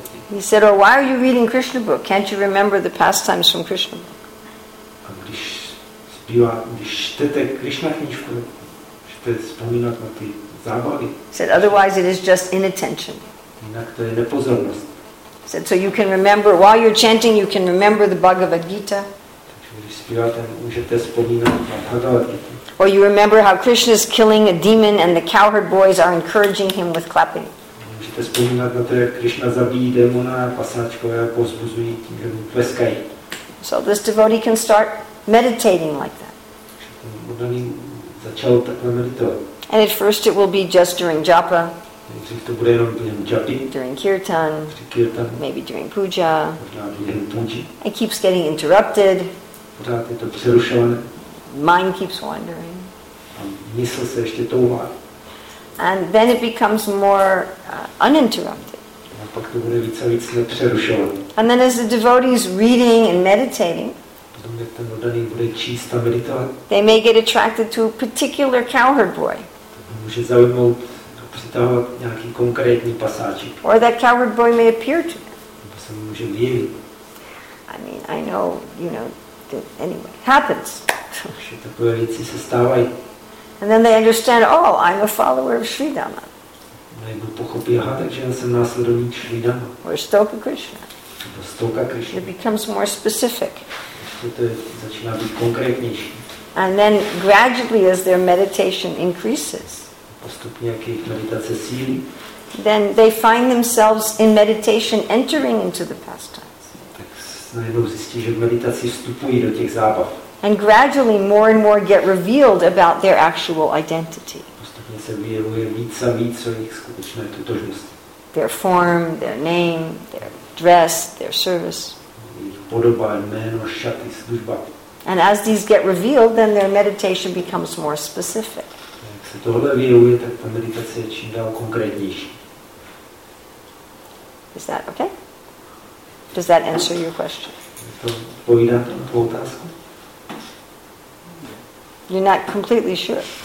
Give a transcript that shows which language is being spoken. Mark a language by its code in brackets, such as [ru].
[en] He said, or why are you reading Krishna book? Can't you remember the pastimes from Krishna book? [cs] A když zpívá, když čtete Krishna knížku, můžete vzpomínat na ty zábavy. [en] He said, otherwise it is just inattention. [cs] Jinak to je nepozornost. [en] He said, so you can remember, while you're chanting, you can remember the Bhagavad Gita. [cs] Takže když zpíváte, můžete vzpomínat na Bhagavad Gita. [en] Or you remember how Krishna is killing a demon and the cowherd boys are encouraging him with clapping. [cs] Můžete vzpomínat na to, jak Krishna zabíjí démona a pasáčkové a pozbuzují tím, že mu tleskají. [en] So this devotee can start meditating like that. [cs] Oddaný začal takhle meditovat. [en] And at first it will be just during japa. [cs] Nejdřív to bude jenom během japy. [en] During kirtan. [cs] Při kirtan. [en] Maybe during puja. [cs] Pořád během puji. [en] It keeps getting interrupted. [cs] Pořád je to přerušované. [en] Mind keeps wandering. [cs] A mysl se ještě touhá. [en] And then it becomes more uninterrupted. [cs] A pak to bude více a víc nepřerušovat. [en] And then as the devotee is reading and meditating, [cs] potom, jak ten oddaný bude číst a meditovat, [en] they may get attracted to a particular cowherd boy. [cs] To může zaujmout a přitahovat nějaký konkrétní pasáčik. [en] Or that cowherd boy may appear to them. [cs] To se může vyjevit. [en] I mean, I know, you know, that anyway, it happens. [cs] Že takové věci se stávají. [en] And then they understand, oh, I'm a follower of Sri Dhamma. [cs] Najednou pochopí, aha, takže já jsem následovník Sri Dhamma. [en] Or Stoka Krishna. [cs] Nebo Stoka Krishna. [en] It becomes more specific. [cs] To začíná být konkrétnější. [en] And then gradually as their meditation increases, [cs] postupně jak jejich meditace sílí, [en] then they find themselves in meditation entering into the pastimes. [cs] Tak najednou zjistí, že v meditaci vstupují do těch zábav. [en] And gradually more and more get revealed about their actual identity. [cs] Postupně se vyjevuje víc a víc o jejich skutečné totožnosti. [en] Their form, their name, their dress, their service. [cs] Jejich podoba, jméno, šaty, služba. [en] And as these get revealed, then their meditation becomes more specific. [cs] Jak se tohle vyjevuje, tak ta meditace je čím dál konkrétnější. [en] Is that okay? Does that answer your question? [cs] To odpovídá na tvou otázku? [en] You're not completely sure.